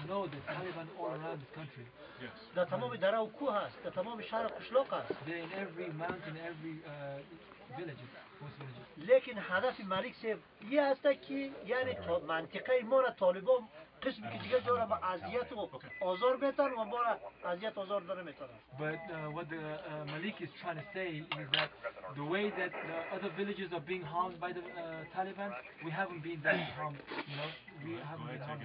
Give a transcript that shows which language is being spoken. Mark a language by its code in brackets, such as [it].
[en] know the Taliban all around this country. Yes. They're in every mountain, every village. [fa] لیکن هدف ملک صاحب یه هست که یعنی منطقه ما را طالبان قسمی که دیگه داره با اذیت و آزار بهتر و ما را اذیت آزار داره میتونه [en] but what the Malik is trying to say is that the way that the other villages are being harmed by the Taliban we haven't been that harmed you know we haven't